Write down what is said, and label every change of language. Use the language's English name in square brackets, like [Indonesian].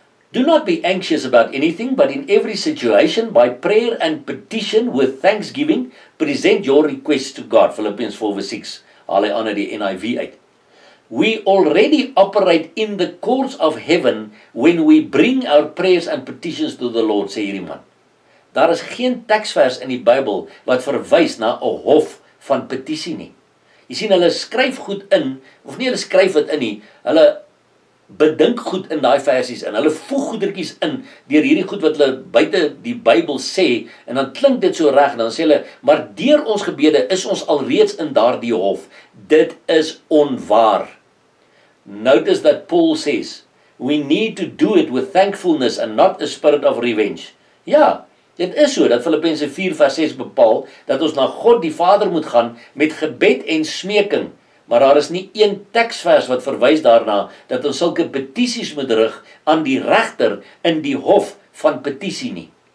[English] Do not be anxious about anything, but in every situation, by prayer and petition with thanksgiving, present your requests to God. Philippians 4:6, [Afrikaans] haal hy ander die NIV uit. [English] We already operate in the courts of heaven when we bring our prayers and petitions to the Lord, [Afrikaans] sê hierdie man. Daar is geen teksvers in die Bybel wat verwys na 'n hof van petisie nie. Jy sien, hulle skryf goed in, of nie hulle skryf wat in nie, hulle bedink goed in daai versies en hulle voeg goedertjies in deur hierdie goed wat hulle buite die Bybel sê en dan klink dit so reg dan sê hulle maar deur ons gebede is ons alreeds in daardie hof. Dit is onwaar. [English] Notice that Paul says, we need to do it with thankfulness and not a spirit of revenge. [Afrikaans] Ja, dit is so dat Filippense 4 vers 6 bepaal dat ons na God die Vader moet gaan met gebed en smeking. Maar daar is nie een teksvers wat verwys daarna dat ons sulke petisies moet rig aan die regter in die hof van petisie nie.